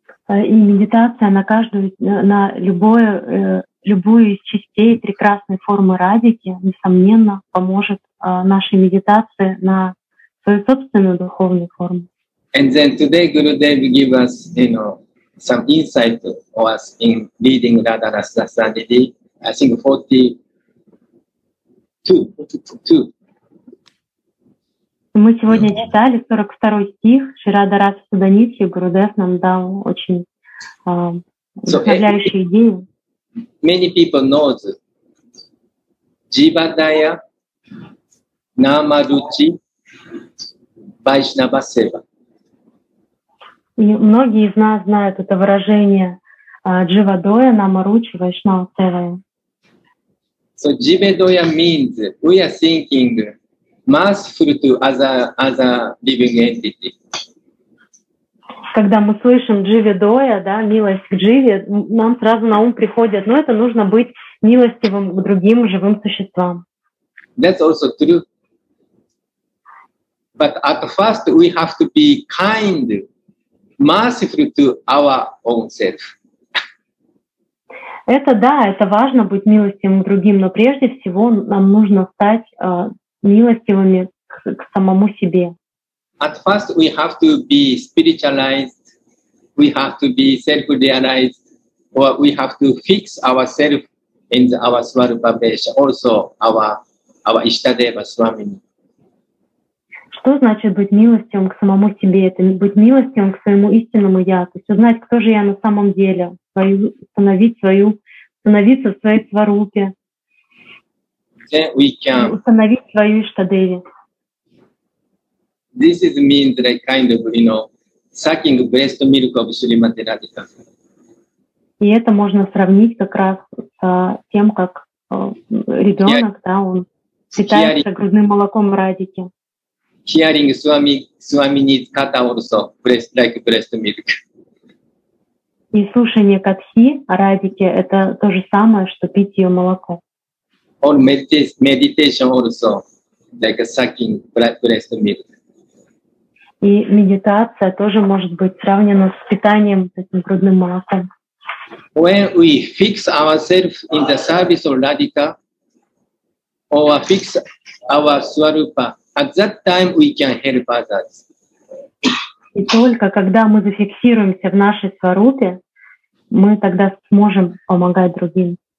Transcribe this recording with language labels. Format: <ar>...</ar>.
<ru>И медитация на каждую, на любое, любую из частей прекрасной формы Радхики, несомненно, поможет нашей медитации на свою собственную духовную форму.</ru> <en>And then today Gurudev give us, you know, some insight for us in reading Radha Rasa Sanidhi, I think 42.</en> <ru>Мы сегодня читали 42 стих, Шрирада Раса Суданитхи, Гурудев нам дал очень вдохновляющую идею.</ru> <en>Many people know Jivadaya, Namaruchi, Vaishnava Seva.</en> <ru>И многие из нас знают это выражение «дживадоя намаручи вайшнава севая».</ru> <en>So «дживадоя» means we are thinking merciful to other living entity.</en> <ru>когда мы слышим Дживе Доя, да, милость к Дживе, нам сразу на ум приходит, ну, это нужно быть милостивым к другим живым существам.</ru> <en>That's also true. But at first we have to be kind, merciful to our own self.</en> <ru>Это да, это важно быть милостивым к другим, но прежде всего нам нужно стать милостивыми к самому себе.</ru> <en>At first we have to be spiritualized, we have to be self-realized, or we have to fix ourselves in our Swarupa Vesha, also our Ishtadeva Swamini.</en> <ru>Что значит быть милостивым к самому себе? Это быть милостивым к своему истинному я, то есть узнать, кто же я на самом деле, становиться в своей сварупе, установить свою Иштадеви.</ru> <en>This is means like kind of, you know, sucking breast milk of Srimati Radhika.</en> <ru>И это можно сравнить как раз с тем, как ребенок, да, он питается грудным молоком Радики.</ru> <en>Hearing Swamini's katha also, like breast milk.</en> <ru>И слушание катхи о Радике — это то же самое, что пить ее молоко.</ru> <en>Or meditation also, like sucking breast milk.</en> <ru>И медитация тоже может быть сравнена с питанием таким грудным молоком.</ru> <en>When we fix ourselves in the service of Radhika, or fix our Swarupa, at that time we can help others.</en> <ru>И только когда мы зафиксируемся в нашей Сварупе, мы тогда сможем помогать другим.</ru>